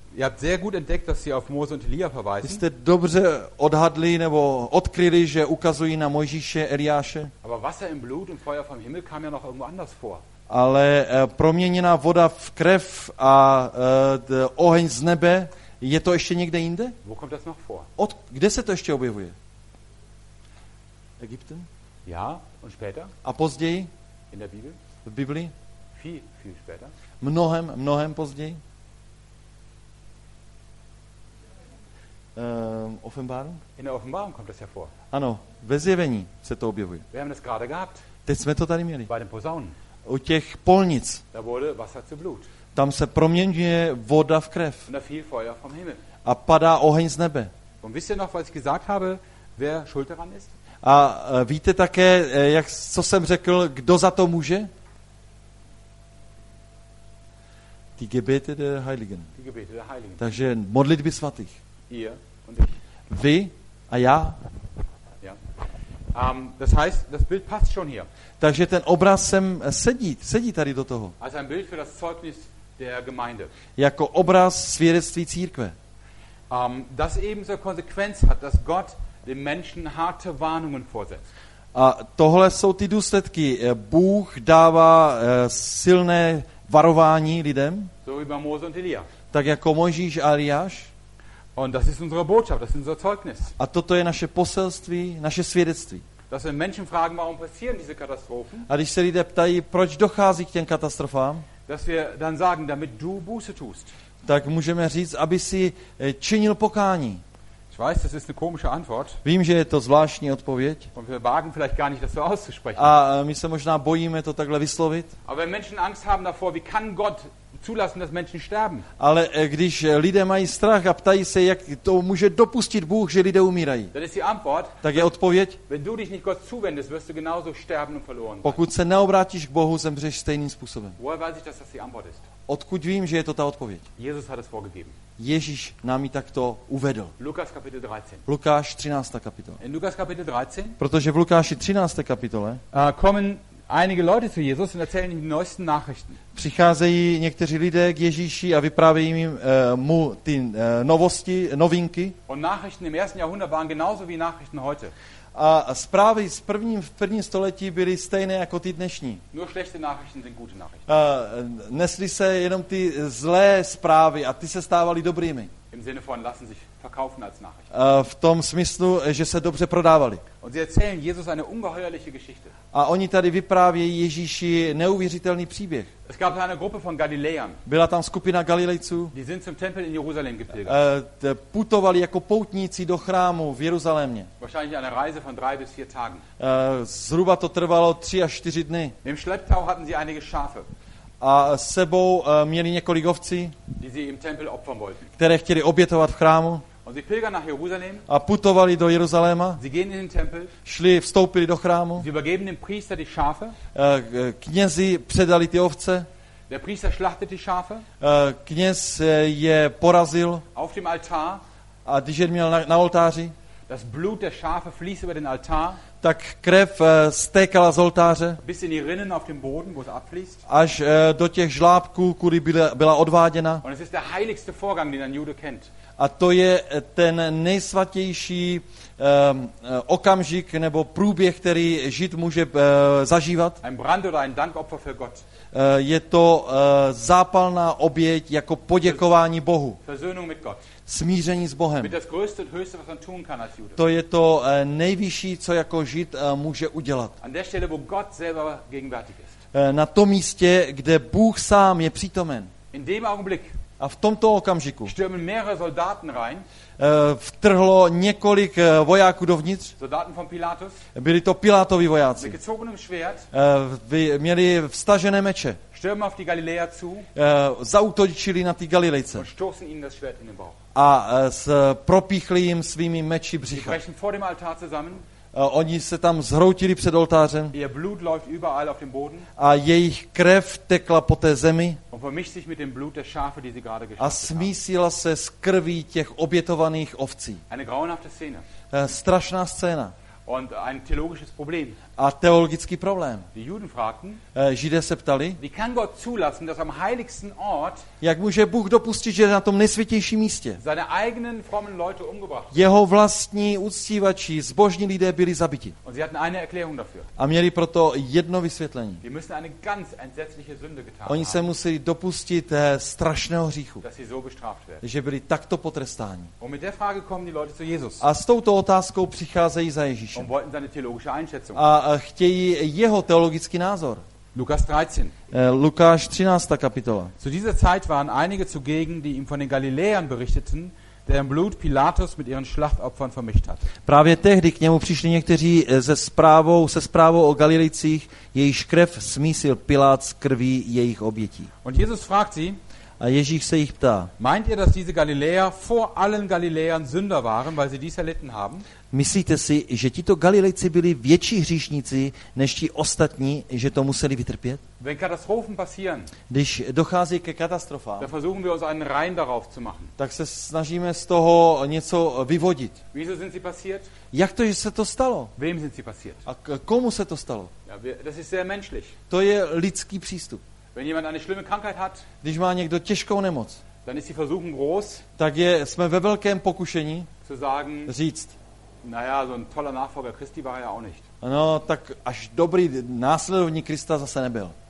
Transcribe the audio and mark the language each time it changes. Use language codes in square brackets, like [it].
[de] ihr habt sehr gut entdeckt, dass sie auf Mose und Elia verweisen. [cs] Jste dobře odhadli nebo odkryli, že ukazují na Mojžíše, Eliáše. [de] Aber Wasser im Blut und Feuer vom Himmel kam ja noch irgendwo anders vor. [cs] Ale proměněná voda v krev a oheň z nebe, je to ještě někde jinde? [de] Wo kommt das noch vor? [cs] Kde se to ještě objevuje? [de] Ägypten? Ja, und später? [cs] A později? [de] In der Bibel? [cs] V Biblii? [de] Viel später? [cs] Mnohem, mnohem později? [de] Offenbarung? In der Offenbarung kommt das ja vor. [cs] Ano, ve zjevení se to objevuje. [de] Wir haben das gerade gehabt. [cs] Teď jsme to tady měli. [de] Bei den Posaunen. [cs] U těch polnic. [de] Da wurde Wasser zu Blut. [cs] Tam se proměňuje voda v krev. [de] Und da fiel Feuer vom Himmel. [cs] A padá oheň z nebe. [de] Und wisst ihr noch, was ich gesagt habe, wer schuld daran ist? [cs] A víte také, jak, co jsem řekl, kdo za to může? [de] Die Gebete der Heiligen. Die Gebete der Heiligen. [cs] Takže modlitby svatých. [de] Ihr und ich. [cs] Vy a já. [de] Ja. Das heißt, das Bild passt schon hier. [cs] Takže ten obraz sem sedí tady do toho. [de] Als ein Bild für das Zeugnis der Gemeinde. [cs] Jako obraz svědectví církve. [de] Das eben zur Konsequenz hat, dass Gott den Menschen harte Warnungen vorsetzt. [cs] A tohle jsou ty důsledky. Bůh dává silné varování lidem. [de] So wie bei Mose und Elia. [cs] Tak jako Mojžíš a Eliáš. [de] Und das ist unsere Botschaft, das ist unser Zeugnis. [cs] A toto je naše poselství, naše svědectví. [de] Dass wenn Menschen fragen, warum passieren diese Katastrophen? [cs] A když se lidé ptají, proč dochází k těm katastrofám? [de] Dass wir dann sagen, damit du Buße tust. [cs] Tak můžeme říct, aby si činil pokání. [de] Ich weiß, das ist eine komische Antwort. [cs] Vím, že je to zvláštní odpověď. [de] Und wir wagen vielleicht gar nicht, das so auszusprechen. [cs] A my se možná bojíme to takhle vyslovit. [de] Aber wenn Menschen Angst haben davor, wie kann Gott zulassen, dass Menschen sterben? [cs] Ale když lidé mají strach a ptají se, jak to může dopustit Bůh, že lidé umírají. [de] Dann ist die Antwort. [cs] Tak je odpověď. [de] Wenn du dich nicht Gott zuwendest, wirst du genauso sterben und verloren sein. [cs] Pokud se neobrátíš k Bohu, zemřeš stejným způsobem. [de] Woher weiß ich, dass das die Antwort ist? [cs] Odkud vím, že je to ta odpověď? [de] Jesus hat es vorgegeben. [cs] Ježíš nám ji takto uvedl. [de] Lukas kapitel 13. [cs] Lukáš 13. kapitola. [de] In Lukas kapitel 13. [cs] Protože v Lukáši 13. kapitole [de] kommen einige Leute zu Jesus und erzählen ihm die neuesten Nachrichten. [cs] Přicházejí někteří lidé k Ježíši a vyprávějí jim mu ty novosti, novinky. [de] Und Nachrichten im ersten Jahrhundert waren genauso wie Nachrichten heute. [cs] A zprávy z prvním století byly stejné jako ty dnešní. [de] Nur schlechte Nachrichten sind gute Nachrichten. [cs] Nesly se jenom ty zlé zprávy a ty se stávaly dobrými. [de] Im Sinne von lassen sich verkaufen als Nachrichten. [cs] V tom smyslu, že se dobře prodávali. [de] Und sie erzählen Jesus eine ungeheuerliche Geschichte. [cs] A oni tady vyprávějí Ježíši neuvěřitelný příběh. [de] Es gab eine Gruppe von Galiläern. [cs] Byla tam skupina Galilejců. [de] Die sind zum Tempel in Jerusalem gepilgert. [cs] Putovali jako poutníci do chrámu v Jeruzalémě. [de] Wahrscheinlich eine Reise von 3 bis 4 Tagen. [cs] Zhruba to trvalo 3 až 4 dny. [de] Im Schlepptau hatten sie einige Schafe. [cs] A s sebou měli několik ovcí, [de] die sie im Tempel opfern wollten. [cs] Které chtěli obětovat v chrámu. [de] Und sie pilgern nach Jerusalem. [cs] A putovali do Jeruzaléma. [de] Sie gehen in den Tempel. [cs] Šli, vstoupili do chrámu. [de] Sie übergeben dem Priester die Schafe. [cs] Knězi předali ty ovce. [de] Der Priester schlachtet die Schafe. [cs] Kněz je porazil. [de] Auf dem Altar. [cs] A když je měl na oltáři. [de] Das Blut der Schafe fließt über den Altar. [cs] Tak krev stékala z oltáře. [de] Bis in die Rinnen auf dem Boden, wo es abfließt. [cs] Až do těch žlábků, kudy byla odváděna. [de] Und es ist der heiligste Vorgang, den ein Jude kennt. [cs] A to je ten nejsvatější okamžik nebo průběh, který Žid může zažívat. [de] Ein Brand oder ein Dankopfer für Gott. [cs] Je to zápalná oběť jako poděkování Bohu. [de] Versöhnung mit Gott. [cs] Smíření s Bohem. [de] Mit das größte und höchste, was man tun kann als Jude. [cs] To je to nejvyšší, co jako Žid může udělat. [de] An der Stelle, wo Gott selber gegenwärtig ist. [cs] Na tom místě, kde Bůh sám je přítomen. [de] In dem Augenblick. [cs] A v tomto okamžiku [de] stürmen mehrere Soldaten rein. [cs] Vtrhlo několik vojáků dovnitř. [de] Soldaten von Pilatus. [cs] Byli to Pilátovi vojáci. [de] Mit gezogenem Schwert. [cs] Měli vztažené meče. [de] Stürmen auf die Galiläer zu. [cs] Zaútočili na ty Galilejce. [de] Und stoßen ihnen das Schwert in den Bauch. [cs] A propíchli jim svými meči břicha. [de] Sie brechen vor dem Altar zusammen. [cs] Oni se tam zhroutili před oltářem. [de] Ihr Blut läuft überall auf dem Boden. [cs] A jejich krev tekla po té zemi. [de] Und vermischt sich mit dem Blut der Schafe, die sie gerade geschlachtet haben. [cs] A smísila se s krví těch obětovaných ovcí. [de] Eine grauenhafte Szene. [cs] Strašná scéna. [de] Und ein theologisches Problem. [cs] A teologický problém. [de] Die Juden fragten. [cs] Židé se ptali. [de] Wie kann Gott zulassen, dass am heiligsten Ort? [cs] Jak může Bůh dopustit, že na tom nejsvětějším místě? [de] Seine eigenen frommen Leute umgebracht. [cs] Jeho vlastní uctívači, zbožní lidé byli zabiti. [de] Und sie hatten eine Erklärung dafür. [cs] A měli proto jedno vysvětlení. [de] Die müssen eine ganz entsetzliche Sünde getan haben. [cs] Oni se museli dopustit strašného hříchu. [de] Dass sie so bestraft werden. [cs] Že byli takto potrestáni. [de] Und mit der Frage kommen die Leute zu Jesus. [cs] A s touto otázkou přicházejí za Ježíšem. [de] Und wollten seine theologische Einschätzung. [cs] A chtějí jeho teologický názor. [de] Lukas 13. [cs] Lukáš 13. kapitola. [de] Zu dieser Zeit waren einige zugegen, die ihm von den Galiläern berichteten, deren Blut Pilatus mit ihren Schlachtopfern vermischt hat. [cs] Právě tehdy k němu přišli někteří se zprávou o Galilejcích, jejíž krev smísil Pilát s krví jejich obětí. [de] Und Jesus fragt sie, [cs] a Ježíš se jich ptá. [de] Meint ihr, dass diese Galiläer vor allen Galiläern Sünder waren, weil sie dies erlitten haben? [cs] Myslíte si, že tito Galilejci byli větší hříšníci než ti ostatní, že to museli vytrpět? [de] Wenn Katastrophen passieren, [cs] když dochází ke katastrofám, [de] dann versuchen wir uns einen Reim darauf zu machen. [cs] Tak se snažíme z toho něco vyvodit. [de] Wieso sind sie passiert? [cs] Jak to, že se to stalo? [de] Wem sind sie passiert? [cs] A komu se to stalo? [de] Ja, das ist sehr menschlich. [cs] To je lidský přístup. [de] Wenn jemand eine schlimme Krankheit hat, [cs] když má někdo těžkou nemoc, [de] dann ist die Versuchung groß, [cs] tak je, jsme ve velkém pokušení [de] zu sagen, [cs] říct, [de] naja, so ein toller Nachfolger Christi war er ja auch nicht. [cs] No, tak až dobrý následovník Krista zase nebyl.